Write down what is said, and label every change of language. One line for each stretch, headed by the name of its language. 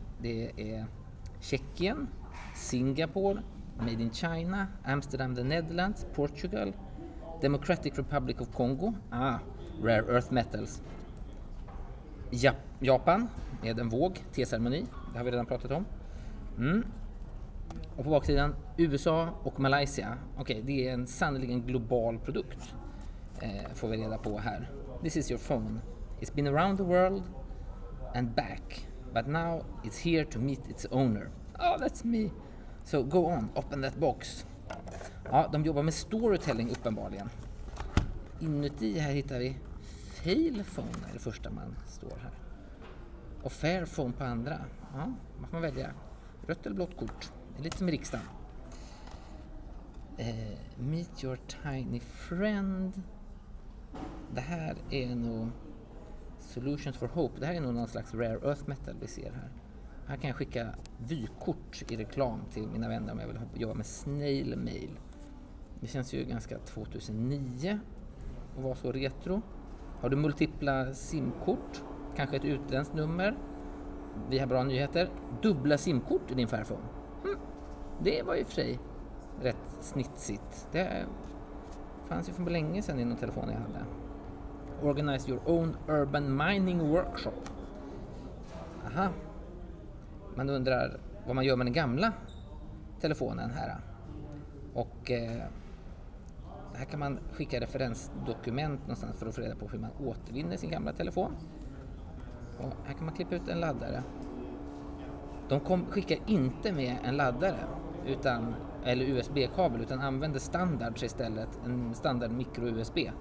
Swedish: Det är Tjeckien, Singapore, Made in China, Amsterdam, The Netherlands, Portugal, Democratic Republic of Congo, Rare Earth Metals, Japan med en våg, teceremoni, det har vi redan pratat om. Mm. Och på baksidan USA och Malaysia. Okej, det är en sannoliken global produkt, får vi reda på här.
English: This is your phone. It's been around the world and back. But now it's here to meet its owner. Oh, that's me. So go on, open that box.
Swedish: Ja, de jobbar med storytelling uppenbarligen. Inuti här hittar vi Fairphone är det första man står här. Och Fairphone på andra. Ja, vad får man välja? Rött eller blått kort? Det är lite som i riksdagen.
English: Meet your tiny friend.
Swedish: Det här är nog Solutions for Hope. Det här är nog någon slags rare earth metal vi ser här. Här kan jag skicka vykort i reklam till mina vänner om jag vill jobba med snail mail. Det känns ju ganska 2009 och var så retro. Har du multipla simkort? Kanske ett utländskt nummer? Vi har bra nyheter. Dubbla simkort i din Fairphone. Det var ju för sig rätt snitsigt. Det fanns ju för länge sedan i någon telefon jag hade.
English: Organize your own urban mining workshop.
Swedish: Aha. Man undrar vad man gör med den gamla telefonen här. Och här kan man skicka referensdokument någonstans för att få reda på hur man återvinner sin gamla telefon. Och här kan man klippa ut en laddare. De skickar inte med en laddare utan eller USB-kabel utan använder standard istället, en standard micro-USB.